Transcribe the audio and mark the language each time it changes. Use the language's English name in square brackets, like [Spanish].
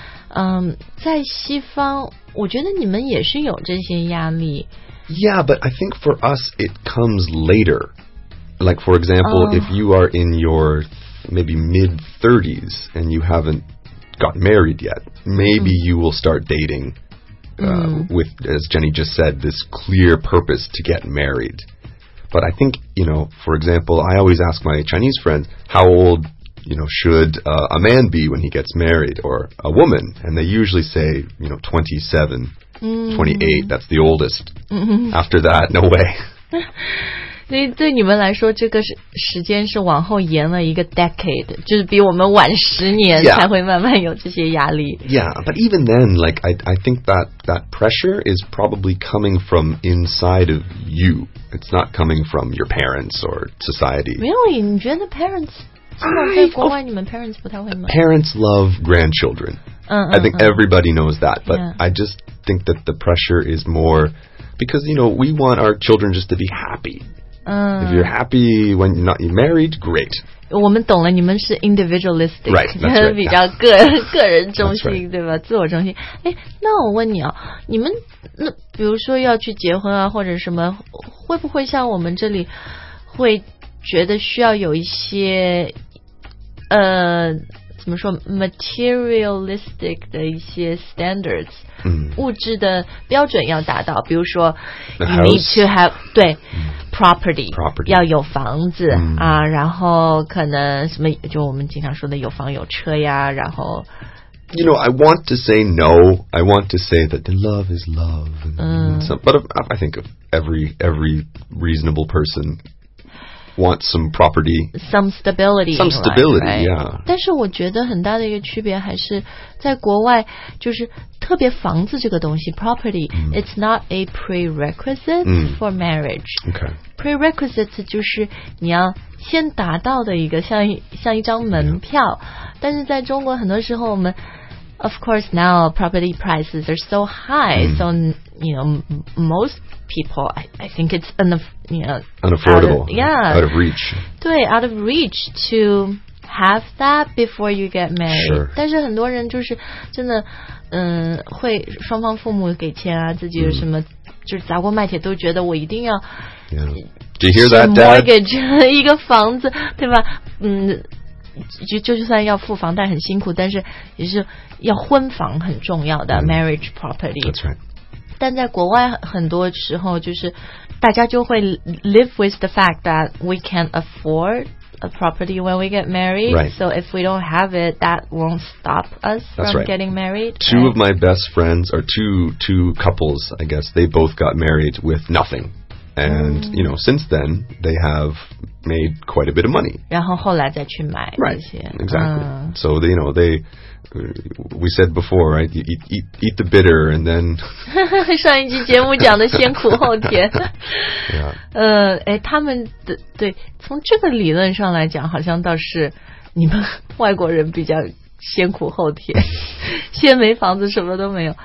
[Chinese] 嗯在西方我觉得你们也是有这些压力 [English] Yeah, but I think for us, it comes later. Like, for example,、 oh. if you are in your maybe mid-30s and you haven't got married yet, maybe、mm. you will start dating、 mm. with, as Jenny just said, this clear purpose to get married. But I think, you know, for example, I always ask my Chinese friends, how old, you know, should、a man be when he gets married or a woman? And they usually say, you know, 27. 28, that's the oldest. After that, no way. [Chinese] 所以对你们来说，这个时间是往后延了一个 decade, 就是比我们晚十年才会慢慢有这些压力。 [English] Yeah, but even then, like, I think that pressure is probably coming from inside of you. It's not coming from your parents or society. Really? [Chinese] 你觉得 [English] parents... Parents love grandchildren. I think everybody knows that. But、 yeah. I just think that the pressure is more... Because, you know, we want our children just to be happy. If you're happy when you're not married, great. [Chinese] 我们懂了，你们是 individualistic， [English] right, that's right, [Chinese] 比较个人、yeah. 个人中心、right. 对吧？自我中心。哎，那我问你啊，你们那比如说要去结婚啊，或者什么，会不会像我们这里会觉得需要有一些怎么说 materialistic 的一些 standards、 mm. 物质的标准要达到，比如说 [English] the you、 house. need to have [Chinese] 对、 [English] mm. property, property [Chinese] 要有房子、mm. 啊，然后可能什么就我们经常说的有房有车呀，然后 [English] you know I want to say no, I want to say that the love is love and、mm. some, but I think of every reasonable personwant some property. Some stability, right, right. yeah. [Chinese] 但是我觉得很大的一个区别还是在国外就是特别房子这个东西 property,、mm. [English] it's not a prerequisite、mm. for marriage. Okay. [Chinese] Prerequisite 就是你要先达到的一个像一张门票、yeah. 但是在中国很多时候我们 [English] of course now property prices are so high,、mm. so you know, most people, I think it's unaffordable, out of reach. [Chinese] 对, [English] out of reach to have that before you get married. Sure. [Chinese] 但是很多人就是真的，会双方父母给钱啊，自己有什么、mm. 就是砸锅卖铁都觉得我一定要。 [English] Yeah. Do you hear that, Dad? [Chinese] Mortgage 一个房子，对吧？嗯。就算要付房贷很辛苦，但是也是要婚房很重要的、mm. [English] marriage property. That's right. [Chinese] 但在国外很多时候就是大家就会 [English] live with the fact that we can't afford a property when we get married、 right. so if we don't have it that won't stop us、 That's、 from、 right. getting married two、right? of my best friends are two couples I guess they both got married with nothing and、mm. you know since then they have made quite a bit of money [Chinese] 然后后来再去买那些 [English] right exactly、so they, you know theywe said before, right? You eat the bitter and then. [Chinese] 上一集节目讲的先苦后甜。 [English] yeah. [Chinese] 哎，他们的对，从这个理论上来讲，好像倒是你们外国人比较先苦后甜，先没房子，什么都没有。